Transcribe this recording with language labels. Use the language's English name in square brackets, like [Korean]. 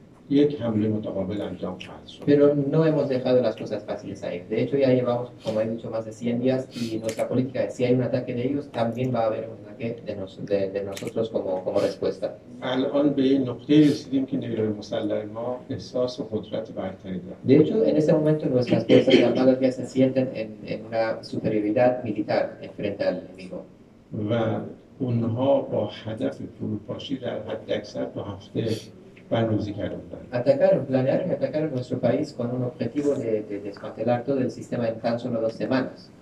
[Persian] یک حمله متقابل انجام خواهد شد. [Spanish] Pero no hemos dejado las cosas fáciles ahí. De hecho ya llevamos, como he dicho, más de 100 días y nuestra política es si hay un ataque de ellos, también va a haber un ataque de nosotros como respuesta. [Persian] الان به این نقطه رسیدیم که نیروی مسلح ما احساس و قدرت برتری دارد. [Spanish] De hecho, en ese momento nuestras fuerzas armadas ya se sienten en una superioridad militar frente al enemigo. [Persian] و اونها با هدف فروپاشی در حد اکثر دو هفته [Spanish] Planearon y atacaron nuestro país con un objetivo de desmantelar todo el sistema en tan solo dos semanas.